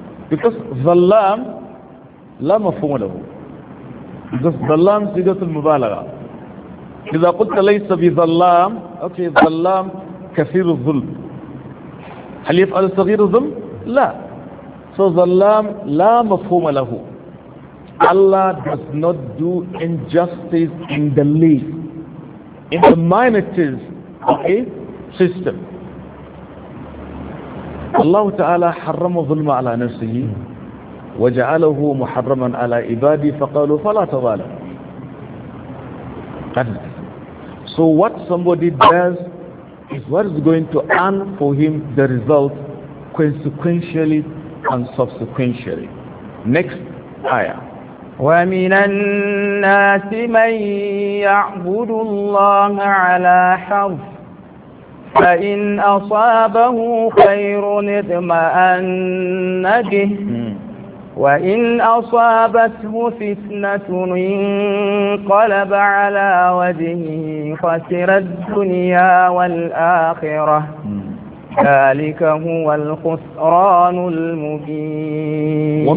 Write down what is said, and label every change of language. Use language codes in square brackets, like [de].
[en] Because [ar] ظلام لا مفهوم له. Because ظلام صيغة المبالغة. إذا قلت ليس بظلام, okay, ظلام كثير الظلم. هل يفعل صغير الظلم؟ لا. [en] So [ar] ظلام لا مفهوم له. [en] Allah does not do injustice in the least, in the minorities of a system. [ar] Allah Ta'ala حرموا ظلم على نفسه وجعله محرما على عباده فقالوا فلا تظالم. [en] So what somebody does is what is going to earn for him the result consequentially and subsequentially. Next ayah. [ar] وَمِنَ النَّاسِ مَن يَعْبُدُ اللَّهَ عَلَى حَرْفٍ فَإِنْ أَصَابَهُ خَيْرٌ اطْمَأَنَّ بِهِ وَإِنْ أَصَابَتْهُ فِتْنَةٌ انقَلَبَ عَلَى وَجْهِهِ خَسِرَ الدُّنْيَا وَالْآخِرَةَ ذَلِكَ هُوَ الْخُسْرَانُ الْمُبِينُ.